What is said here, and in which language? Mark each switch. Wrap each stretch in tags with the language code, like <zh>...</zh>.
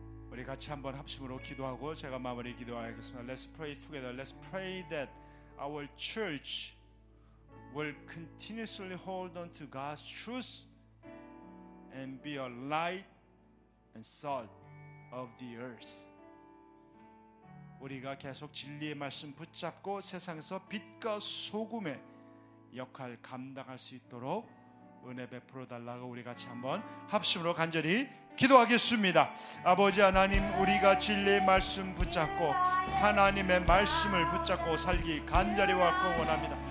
<ko>우리 같이 한번 합심으로 기도하고 제가 마무리 기도하겠습니다.</ko> <en>Let's pray together. Let's pray that our church will continuously hold on to God's truth and be a light and salt of the earth.</en> <ko>우리가 계속 진리의 말씀 붙잡고 세상에서 빛과 소금의 역할 감당할 수 있도록 은혜 베풀어 달라고 우리 같이 한번 합심으로 간절히 기도하겠습니다. 아버지 하나님, 우리가 진리의 말씀 붙잡고 하나님의 말씀을 붙잡고 살기 간절히 왔고 원합니다.</ko>